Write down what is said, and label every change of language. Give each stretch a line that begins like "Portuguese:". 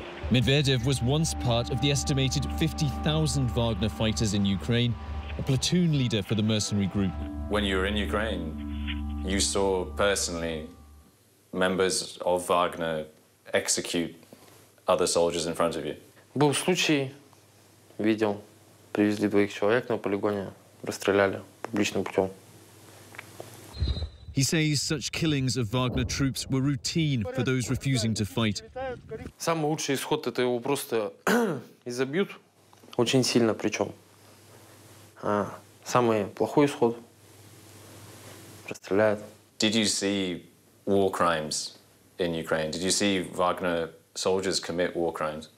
English: Medvedev was once part of the estimated 50,000 Wagner fighters in Ukraine, a platoon leader for the mercenary group. When you were in Ukraine, you saw personally members of Wagner execute other soldiers in front of you.
Russian: Был случай, видел, привезли двоих человек на полигоне, расстреляли публичным путем.
English: He says such killings of Wagner troops were routine for those refusing to fight.
Russian: Самый лучший исход это его просто изобьют очень сильно, причем самый плохой исход расстреляют.
English: Did you see war crimes in Ukraine? Did you see Wagner soldiers commit war crimes?